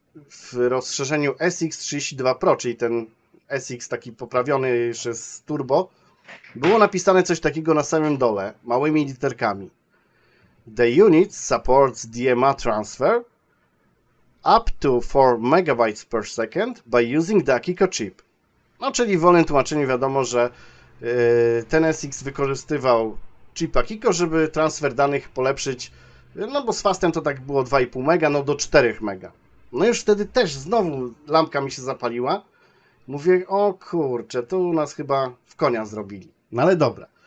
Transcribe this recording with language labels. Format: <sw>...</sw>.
<pl>w rozszerzeniu SX32 Pro, czyli ten SX taki poprawiony jeszcze z Turbo, było napisane coś takiego na samym dole, małymi literkami.</pl> <en>The unit supports DMA transfer up to 4 MB per second by using the Akiko chip.</en> <pl>No, czyli w wolnym tłumaczeniu wiadomo, że ten SX wykorzystywał chip Akiko, żeby transfer danych polepszyć, no bo z fastem to tak było 2,5 mega, no do 4 mega. No już wtedy też znowu lampka mi się zapaliła. Mówię, o kurczę, to u nas chyba w konia zrobili. No ale dobra.</pl>